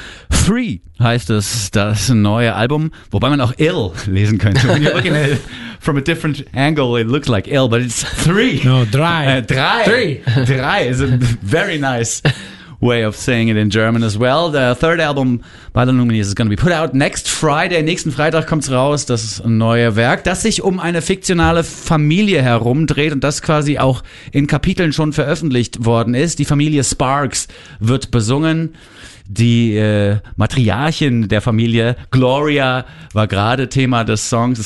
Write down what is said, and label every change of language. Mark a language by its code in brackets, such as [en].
[de] Free heißt es, das neue Album, wobei man auch ill lesen könnte. [en] When you're looking at it from a different angle, it looks like ill, but it's three. No, drei. Drei is a very nice way of saying it in German as well. The third album by the Lumineers is going to be put out next Friday. [de] Nächsten Freitag kommt's raus, das neue Werk, das sich um eine fiktionale Familie herumdreht und das quasi auch in Kapiteln schon veröffentlicht worden ist. Die Familie Sparks wird besungen. Die Matriarchin der Familie, Gloria, war gerade Thema des Songs.